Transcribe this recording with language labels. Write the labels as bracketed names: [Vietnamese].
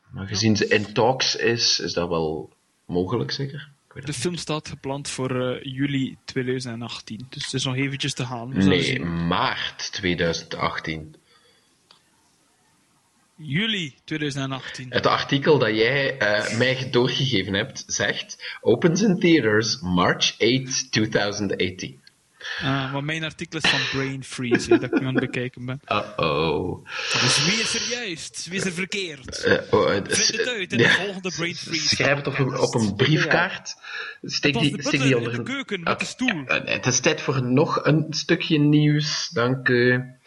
[Dutch] Maar gezien ze [English] in talks [Dutch] is dat wel mogelijk, zeker? De film staat gepland voor juli 2018. Dus het is nog eventjes te gaan. Nee, maart 2018. Juli 2018. Het artikel dat jij mij doorgegeven hebt, zegt... [English] Opens in theaters March 8, 2018. [Dutch] Maar mijn artikel is van Brain Freeze, dat ik aan het bekijken ben. Uh-oh. Dus wie is er juist? Wie is er verkeerd? Vind het uit in de volgende Brain Freeze. Schrijf het op een briefkaart. Steek die onder in de keuken, met de stoel. Het is tijd voor nog een stukje nieuws. Dank u.